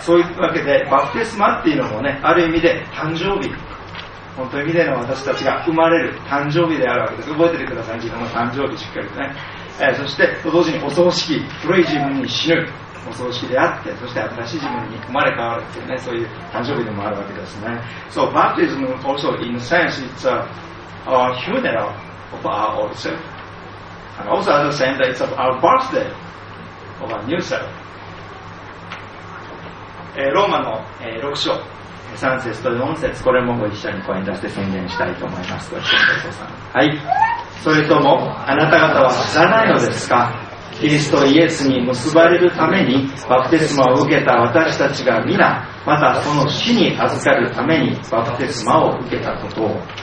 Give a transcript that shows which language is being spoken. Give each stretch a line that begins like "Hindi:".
Japanese: そういうわけでバプテスマっていうのもね、ある意味で誕生日、本当に未来の私たちが生まれる誕生日であるわけです。覚えててください、自分の誕生日しっかりとね。そして同時にお葬式、古い自分に死ぬお葬式であって、そして新しい自分に生まれ変わるっていうね、そういう誕生日でもあるわけですね。
English: So baptism also in a sense it's aOur funeral of our old self. And also at the same day, it's our birthday of our new self.
Japanese: ローマの6章、3節と4節、これもご一緒に声に出して宣言したいと思います。はい。それとも、あなた方は知らないのですか？キリストイエスに結ばれるために、バプテスマを受けた私たちが皆、またその死に預かるために、バプテスマを受けたことを。